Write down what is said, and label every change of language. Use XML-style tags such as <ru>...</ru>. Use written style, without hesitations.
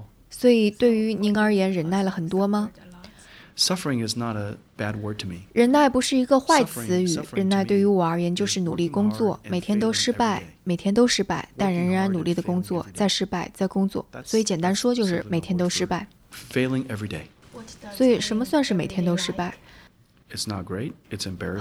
<zh>所以对于您而言，忍耐了很多吗？</zh> <en>Suffering is not a bad word to me.</en> <zh>忍耐不是一个坏词语。忍耐对于我而言就是努力工作，每天都失败，每天都失败，但仍然努力的工作，再失败，再工作。所以简单说就是每天都失败。</zh> <en>Failing every day.</en> <zh>所以什么算是每天都失败？</zh> <en>It's not great. It's embarrassing.</en>